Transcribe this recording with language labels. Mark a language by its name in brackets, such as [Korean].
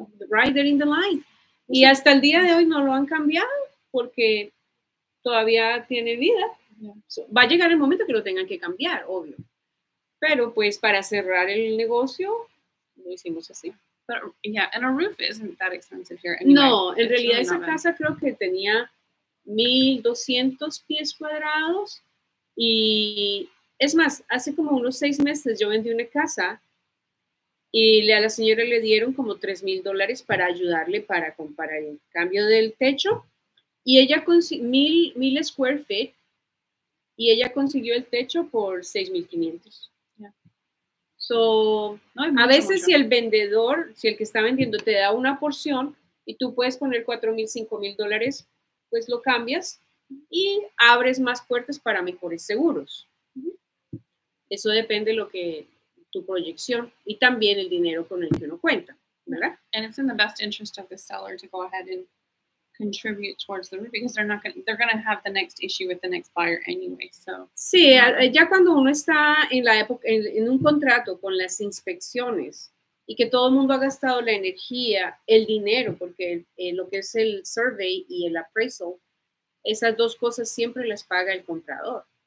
[English] Right there in the line. [Spanish] Y hasta el día de hoy no lo han cambiado, porque todavía tiene vida. [English] Yeah. [Spanish] So, va a llegar el momento que lo tengan que cambiar, obvio. Pero pues para cerrar el negocio, lo hicimos así. [English] But yeah, and a roof isn't that expensive here. Anyway, [Spanish] no, en realidad esa casa creo que tenía 1,200 pies cuadrados. Y es más, hace como unos 6 meses yo vendí una casa y a la señora le dieron como $3,000 para ayudarle para comprar el cambio del techo. Y ella consiguió 1,000 square feet y ella consiguió el techo por 6,500. [English] So, [Spanish] no, mucho, a veces mucho. Si el vendedor, si el que está vendiendo te da una porción y tú puedes poner $4,000, $5,000, pues lo cambias y abres más puertas para mejores seguros. Eso depende de lo que tu proyección y también el dinero con el que uno cuenta, ¿verdad? [English] And it's in the best interest of the seller to go ahead and contribute towards the roof, because they're going to have the next issue with the next buyer anyway. So [Spanish] sí, ya cuando uno está en la época en un contrato con las inspecciones y que todo el mundo ha gastado la energía, el dinero, porque lo que es el survey y el appraisal, esas dos cosas siempre las paga el comprador.